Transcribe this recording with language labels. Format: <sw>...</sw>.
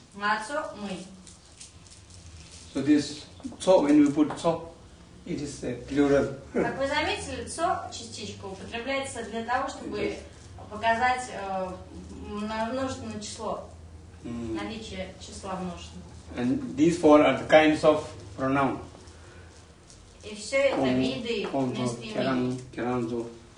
<bo>Га цо, мы.</bo> <en>So this цо, when we put цо, it is a plural.</en> <ru>Как вы заметили, цо частичка употребляется для того, чтобы показать множественное число. наличие числа множественного.</ru> <en>And these four are the kinds of pronoun.</en> <ru>И все это виды местоимений.</ru>